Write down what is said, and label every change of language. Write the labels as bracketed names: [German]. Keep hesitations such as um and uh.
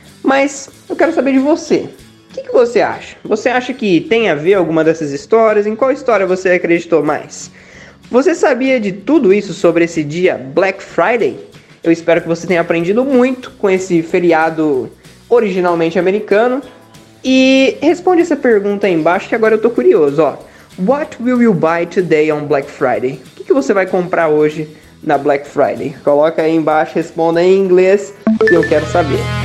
[Portuguese] Mas eu quero saber de você. O que, que, você acha? Você acha que tem a ver alguma dessas histórias? Em qual história você acreditou mais? Você sabia de tudo isso sobre esse dia Black Friday? Eu espero que você tenha aprendido muito com esse feriado originalmente americano. E responde essa pergunta aí embaixo que agora eu tô curioso, ó. [English] What will you buy today on Black Friday? [Portuguese] O que, que você vai comprar hoje na Black Friday? Coloca aí embaixo, responda em inglês que eu quero saber.